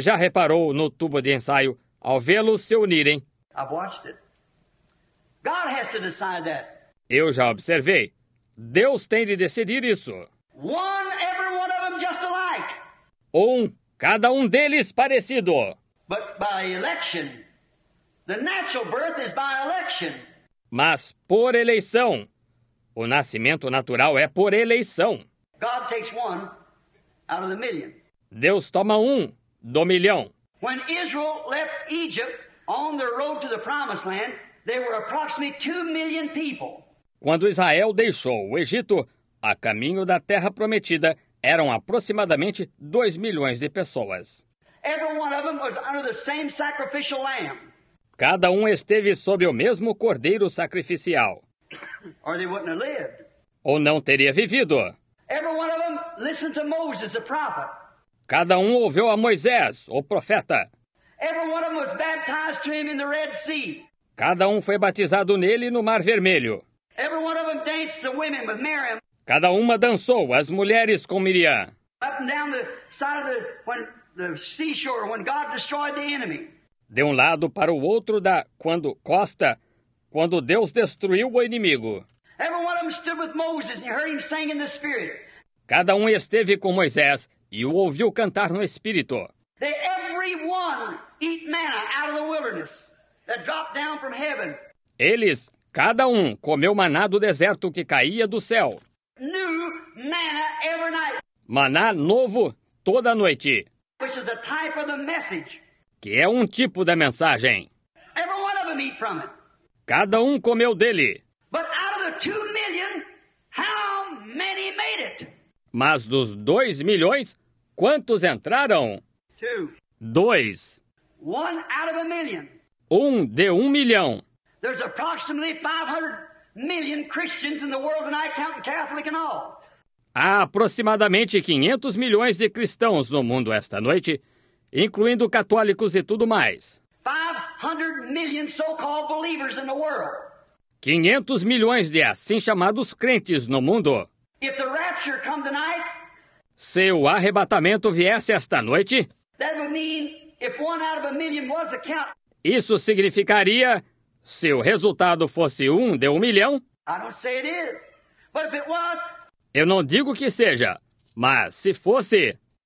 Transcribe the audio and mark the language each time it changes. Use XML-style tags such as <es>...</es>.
<pt>já reparou no tubo de ensaio, ao vê-los se unirem?</pt> <en>I've watched it. God has to decide that.</en> <pt>Eu já observei. Deus tem de decidir isso.</pt> <en>One, every one of them just alike.</en> <pt>Um, cada um deles parecido.</pt> <en>But by election. The natural birth is by election.</en> <pt>Mas por eleição. O nascimento natural é por eleição.</pt> <en>God takes one out of the million.</en> <pt>Deus toma um do milhão.</pt> <en>When Israel left Egypt on their road to the promised land, there were approximately 2 million people.</en> <pt>Quando Israel deixou o Egito, a caminho da terra prometida, eram aproximadamente 2 milhões de pessoas.</pt> <en>Every one of them was under the same sacrificial lamb.</en> <pt>Cada um esteve sob o mesmo cordeiro sacrificial.</pt> <en>Or they wouldn't have lived.</en> <pt>Ou não teria vivido.</pt> <en>Every one of them listened to Moses, the prophet.</en> <pt>Cada um ouviu a Moisés, o profeta.</pt> <en>Every one of them was baptized to him in the Red Sea.</en> <pt>Cada um foi batizado nele no Mar Vermelho.</pt> <en>Every one of them danced the women with Miriam.</en> <pt>Cada uma dançou as mulheres com Miriam.</pt> <en>Up and down the side of the seashore when God destroyed the enemy.</en> <pt>De um lado para o outro da quando costa, quando Deus destruiu o inimigo.</pt> <en>Every one of them stood with Moses and heard him sing in the spirit.</en> <pt>Cada um esteve com Moisés e o ouviu cantar no espírito.</pt> <en>They every one eat manna out of the wilderness that dropped down from heaven.</en> <pt>Eles, cada um, comeu maná do deserto que caía do céu.</pt> <en>New manna every night.</en> <pt>Maná novo toda noite.</pt> <en>Which is a type of the message.</en> <pt>Que é um tipo da mensagem.</pt> <en>Every one of them eat from it.</en> <pt>Cada um comeu dele.</pt> <en>But out of the 2 million, how many made it?</en> <pt>Mas dos 2 milhões, quantos entraram?</pt> <en>Two.</en> <pt>Dois.</pt> <en>One out of a million.</en> <pt>Um de 1 milhão.</pt> <en>There's approximately 500 million Christians in the world and I count Catholic and all.</en> <pt>Há aproximadamente 500 milhões de cristãos no mundo esta noite, incluindo católicos e tudo mais.</pt> <en>500 million so-called believers in the world.</en> <pt>500 milhões de assim chamados crentes no mundo.</pt> <en>If the rapture come tonight,</en> <pt>se o arrebatamento viesse esta noite,</pt> <en>that would mean if one out of a million was a count.</en> <pt>Isso significaria, se o resultado fosse um de 1 milhão,</pt> <en>I don't say it is, but if it was,</en> <pt>eu não digo que seja, mas se fosse,</pt>